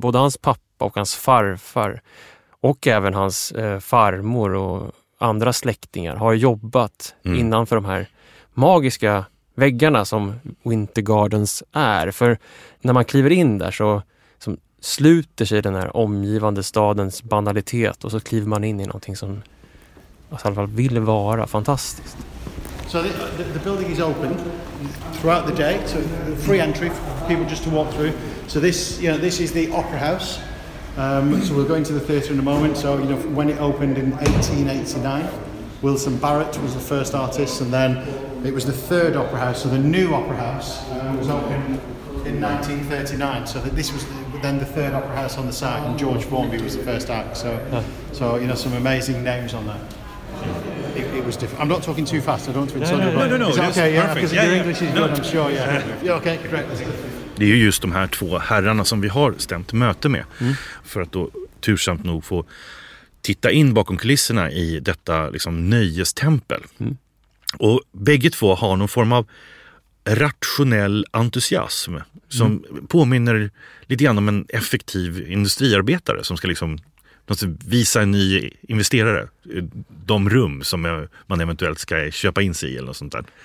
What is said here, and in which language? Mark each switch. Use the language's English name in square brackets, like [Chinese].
[Swedish] Både hans pappa och hans farfar och även hans farmor och andra släktingar har jobbat innanför de här magiska väggarna som Winter Gardens är. För när man kliver in där så sluter sig den här omgivande stadens banalitet och så kliver man in i någonting som i alla fall vill vara fantastiskt. [English] So the building is open throughout the day, so free entry for people just to walk through. So this, you know, this is the Opera House. So we'll go into the theater in a moment. So, you know, when it opened in 1889, Wilson Barrett was the first artist, and then it was the third Opera House. So the new Opera House was opened in 1939. So that this was then the third Opera House on the site, and George Formby was the first act. So, so you know, some amazing names on there. It was different. I'm not talking too fast. I don't want to insult you. No, no, no. Is that okay? Yeah, because your English is good. I'm sure. Yeah. Yeah. Okay. Great. [Swedish] Det är ju just de här två herrarna som vi har stämt möte med för att då tursamt nog få titta in bakom kulisserna i detta liksom nöjestempel. Mm. Och bägge två har någon form av rationell entusiasm som påminner lite grann om en effektiv industriarbetare som ska liksom visa en ny investerare de rum som man eventuellt ska köpa in sig i eller något sånt där.